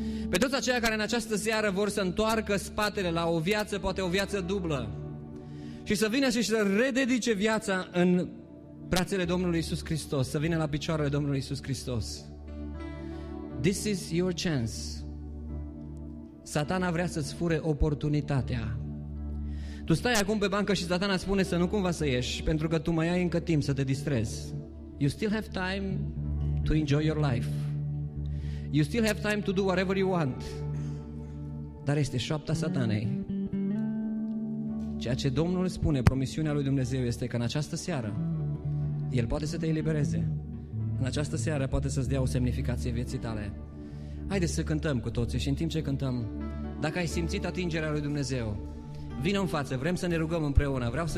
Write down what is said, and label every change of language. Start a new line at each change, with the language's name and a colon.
Romanian: Pe toți aceia care în această seară vor să întoarcă spatele la o viață, poate o viață dublă, și să vină și să rededice viața în brațele Domnului Iisus Hristos, să vină la picioarele Domnului Iisus Hristos.
English: This is your chance.
Romanian: Satana vrea să-ți fure oportunitatea. Tu stai acum pe bancă și Satana spune să nu cumva să ieși, pentru că tu mai ai încă timp să te distrezi.
English: You still have time to enjoy your life. You still have time to do whatever you want.
Romanian: Dar este șoapta Satanei. Ceea ce Domnul spune, promisiunea lui Dumnezeu, este că în această seară El poate să te elibereze. În această seară poate să-ți dea o semnificație vieții tale. Haideți să cântăm cu toții și în timp ce cântăm, dacă ai simțit atingerea lui Dumnezeu, vină în față, vrem să ne rugăm împreună.